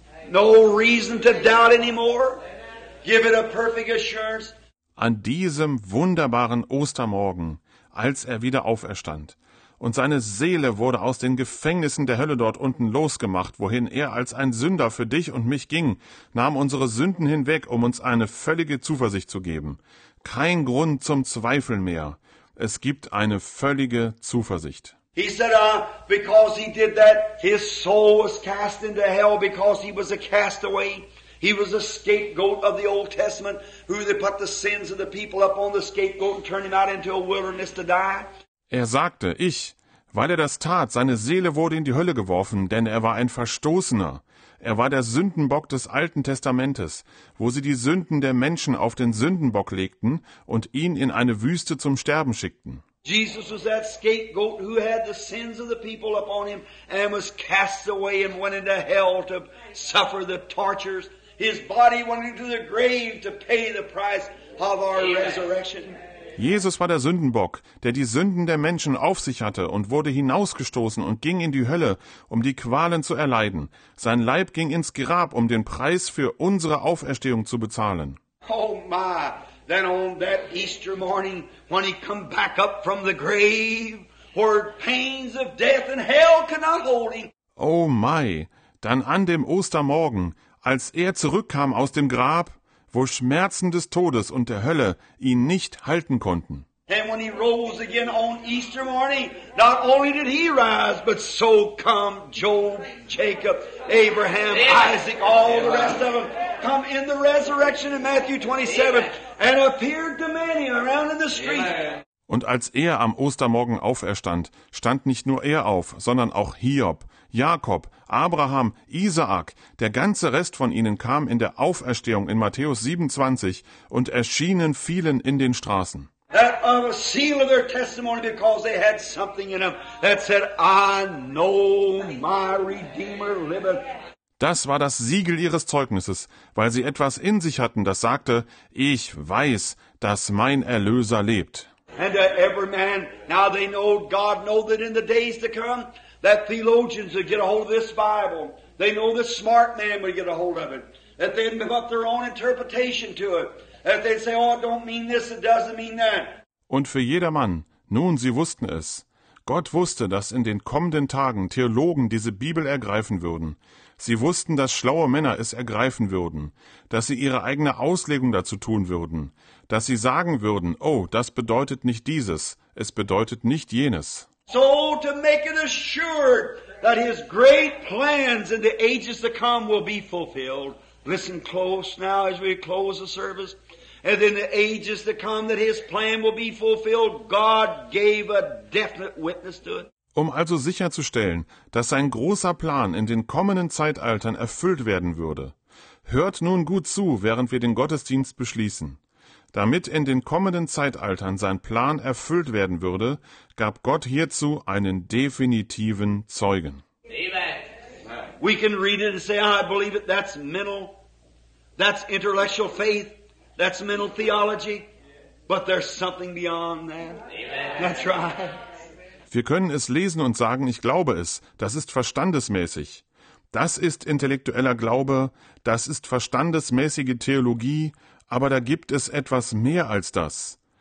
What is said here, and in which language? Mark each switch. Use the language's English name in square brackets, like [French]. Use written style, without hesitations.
[English] No reason to doubt anymore. Give it a perfect assurance. [German] An diesem wunderbaren Ostermorgen, als er wieder auferstand. Und seine Seele wurde aus den Gefängnissen der Hölle dort unten losgemacht, wohin er als ein Sünder für dich und mich ging, nahm unsere Sünden hinweg, um uns eine völlige Zuversicht zu geben. Kein Grund zum Zweifeln mehr. Es gibt eine völlige Zuversicht. [English] He said, because he did that, his soul was cast into hell, because he was a castaway. He was a scapegoat of the Old Testament, who they put the sins of the people up on the scapegoat and turned him out into a wilderness to die. [German] Er sagte, ich, weil er das tat, seine Seele wurde in die Hölle geworfen, denn er war ein Verstoßener. Er war der Sündenbock des Alten Testamentes, wo sie die Sünden der Menschen auf den Sündenbock legten und ihn in eine Wüste zum Sterben schickten. [English] Jesus was that scapegoat who had the sins of the people upon him and was cast away and went into hell to suffer the tortures. His body went into the grave to pay the price of our resurrection. [German] Jesus war der Sündenbock, der die Sünden der Menschen auf sich hatte und wurde hinausgestoßen und ging in die Hölle, um die Qualen zu erleiden. Sein Leib ging ins Grab, um den Preis für unsere Auferstehung zu bezahlen. [English] Oh my, then on that Easter morning, when he come back up from the grave, where pains of death and hell could not hold him. [German] Oh my, dann an dem Ostermorgen, als er zurückkam aus dem Grab, wo Schmerzen des Todes und der Hölle ihn nicht halten konnten. [English] And when he rose again on Easter morning, not only did he rise, but so come Job, Jacob, Abraham, Isaac, all the rest of them, come in the resurrection in Matthew 27, and appeared to many around in the street. [German] Und als er am Ostermorgen auferstand, stand nicht nur er auf, sondern auch Hiob, Jakob, Abraham, Isaak, der ganze Rest von ihnen kam in der Auferstehung in Matthäus 27 und erschienen vielen in den Straßen. [English] That was a seal of their testimony because they had something in them that said, I know my Redeemer liveth. [German] Das war das Siegel ihres Zeugnisses, weil sie etwas in sich hatten, das sagte, ich weiß, dass mein Erlöser lebt. [English] And to every man, now they know, God know that in the days to come, that theologians would get a hold of this Bible. They know the smart man would get a hold of it. That they'd give up their own interpretation to it. That they'd say, oh, it don't mean this, it doesn't mean that. [German] Und für jedermann, nun, sie wussten es. Gott wusste, dass in den kommenden Tagen Theologen diese Bibel ergreifen würden. Sie wussten, dass schlaue Männer es ergreifen würden, dass sie ihre eigene Auslegung dazu tun würden, dass sie sagen würden, oh, das bedeutet nicht dieses, es bedeutet nicht jenes. [English] So to make it assured that his great plans in the ages to come will be fulfilled. Listen close now as we close the service. And in the ages to come that his plan will be fulfilled, God gave a definite witness to it. [German] Um also sicherzustellen, dass sein großer Plan in den kommenden Zeitaltern erfüllt werden würde. Hört nun gut zu, während wir den Gottesdienst beschließen. Damit in den kommenden Zeitaltern sein Plan erfüllt werden würde, gab Gott hierzu einen definitiven Zeugen. [English] Amen. We can read it and say, I believe it, that's mental, that's intellectual faith, that's mental theology, but there's something beyond that. Amen. That's right. [German] Wir können es lesen und sagen, ich glaube es, das ist verstandesmäßig. Das ist intellektueller Glaube, das ist verstandesmäßige Theologie, aber da gibt es etwas mehr als das.